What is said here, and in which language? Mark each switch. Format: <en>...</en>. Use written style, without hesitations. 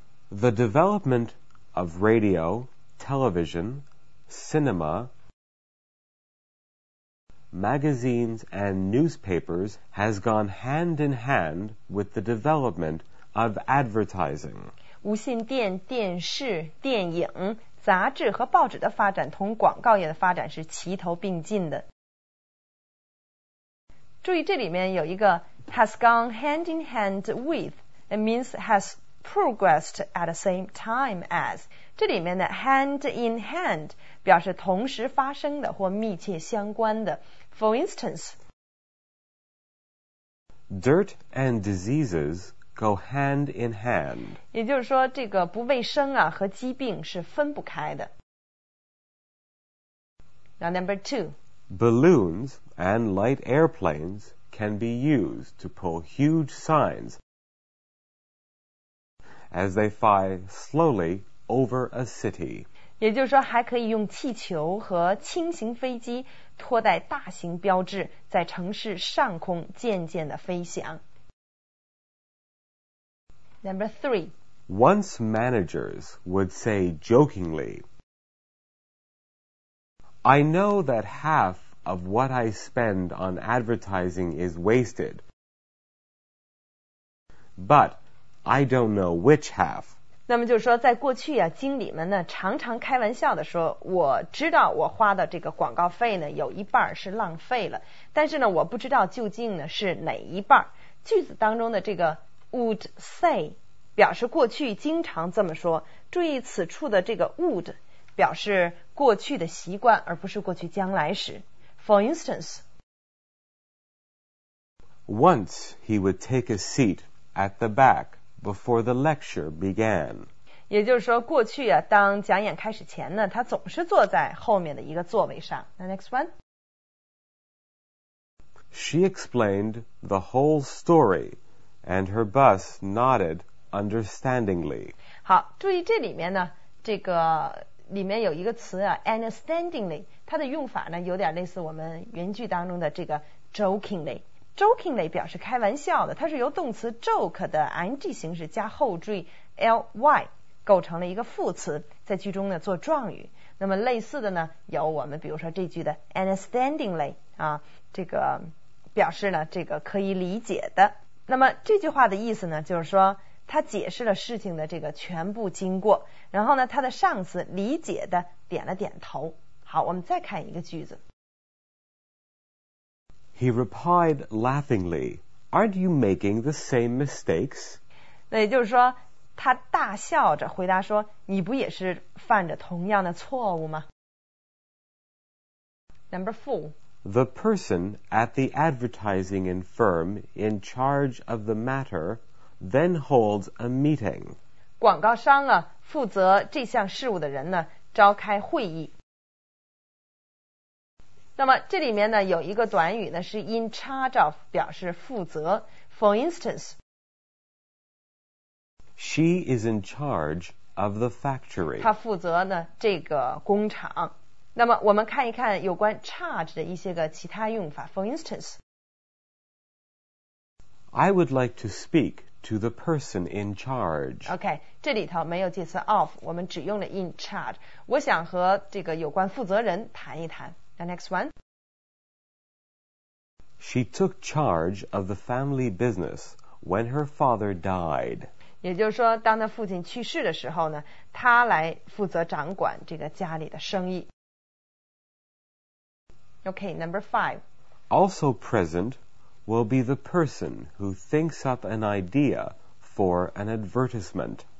<en>The development of radio, television, cinema... Magazines and newspapers has gone hand in hand with the development of advertising.</en> <zh>无线电、电视、电影、杂志和报纸的发展同广告业的发展是齐头并进的。注意这里面有一个</zh> <en>has gone hand in hand with, it means has progressed at the same time as.</en> <zh>这里面的 hand in hand 表示同时发生的或密切相关的。</zh> <en>For instance, dirt and diseases go hand in hand.</en> <zh>也就是说这个不卫生啊和疾病是分不开的。</zh> <en>Now number two. Balloons and light airplanes can be used to pull huge signs as they fly slowly over a city.</en> <zh>也就是说还可以用气球和轻型飞机拖带大型标志在城市上空渐渐地飞翔。</zh> <en>Number three. Once managers would say jokingly, I know that half of what I spend on advertising is wasted, but I don't know which half.</en> <zh>那么就是说在过去啊经理们呢常常开玩笑的说我知道我花的这个广告费呢有一半是浪费了但是呢我不知道究竟呢是哪一半句子当中的这个 would say 表示过去经常这么说注意此处的这个 would 表示过去的习惯而不是过去将来时</zh> <en>For instance Once he would take a seat at the back before the lecture began.</en> <zh>也就是说过去啊，当讲演开始前呢，他总是坐在后面的一个座位上。</zh> <en>那 next one? She explained the whole story, and her boss nodded understandingly.</en> <zh>好，注意这里面呢，这个里面有一个词啊 ,understandingly, 它的用法呢有点类似我们原句当中的这个 jokingly。 Jokingly 表示开玩笑的，它是由动词 joke 的 ing 形式加后缀 ly 构成了一个副词，在句中呢做状语。那么类似的呢，有我们比如说这句的 understandingly 啊，这个表示呢这个可以理解的。那么这句话的意思呢，就是说他解释了事情的这个全部经过，然后呢他的上司理解的点了点头。好，我们再看一个句子。</zh> <en>He replied laughingly, aren't you making the same mistakes?</en> <zh>那也就是说他大笑着回答说，你不也是犯着同样的错误吗？</zh> <en>Number four. The person at the advertising firm in charge of the matter then holds a meeting.</en> <zh>广告商啊，负责这项事务的人呢，召开会议。那么这里面呢有一个短语呢是 in charge of 表示负责。</zh> <en>For instance, She is in charge of the factory.</en> <zh>她负责呢这个工厂。那么我们看一看有关 charge 的一些个其他用法。</zh> <en>For instance, I would like to speak to the person in charge.</en> <zh>OK, 这里头没有介词 of, 我们只用了 in charge. 我想和这个有关负责人谈一谈。</zh> <en>The next one. She took charge of the family business when her father died.</en> <zh>也就是说当她父亲去世的时候呢，她来负责掌管这个家里的生意。</zh> <en>OK, number five. Also present will be the person who thinks up an idea for an advertisement.</en>